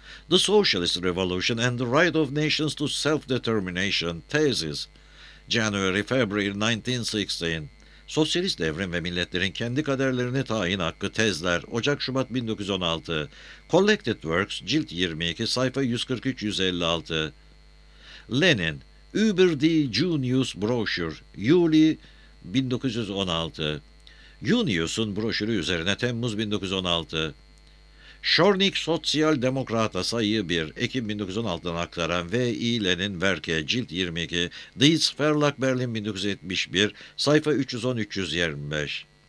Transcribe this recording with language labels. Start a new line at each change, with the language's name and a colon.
English: The Socialist Revolution and the Right of Nations to Self-Determination, Thesis, January-February 1916.
Turkish: Sosyalist Devrim ve Milletlerin Kendi Kaderlerini Tayin Hakkı, Tezler, Ocak-Şubat 1916.
English: Collected Works,
Turkish: Cilt 22, sayfa 143-156.
German: Lenin,
Turkish: Über die Junius Broschür, Juli
German: 1916.
Turkish: Junius'un broşürü üzerine Temmuz 1916. Schornik Sosyal Demokrata sayı 1, Ekim 1916'dan aktaran V. I. Lenin Werke, cilt 22, Dies Verlag Berlin 1971, sayfa 310-325.